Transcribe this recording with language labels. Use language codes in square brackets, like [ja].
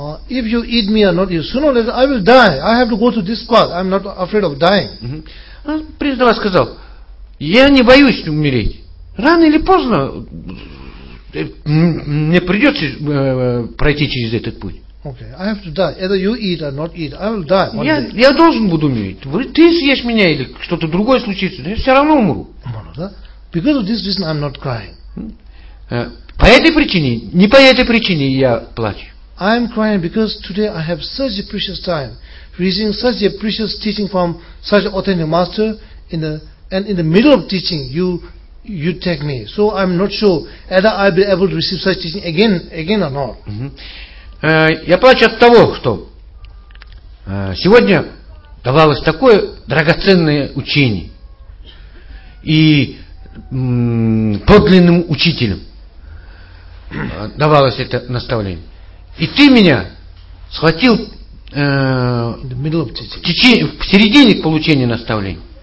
[en] If you eat me or not, you sooner or later I will die. I have to go to this path. I'm not afraid of dying. [ru] Принц Дава сказал: я не боюсь умереть. Рано или поздно мне придется пройти через этот путь. [en] Okay, I have to die. Either you eat or not eat, I will die. [ru] Я должен буду умереть. Ты съешь меня или что-то другое случится, я все равно умру. [en] Because of this reason, I'm not crying. [ru] По этой причине, не по этой причине я плачу. [en] I'm crying because today I have such a precious time, receiving such a precious teaching from such an authentic master. In the middle of teaching, you take me. So I'm not sure whether I'll be able to receive such teaching again or not. [ru] Я плачу от того, что сегодня давалось такое драгоценное учение и подлинным учителем давалось это наставление. И ты меня схватил в середине получения наставления.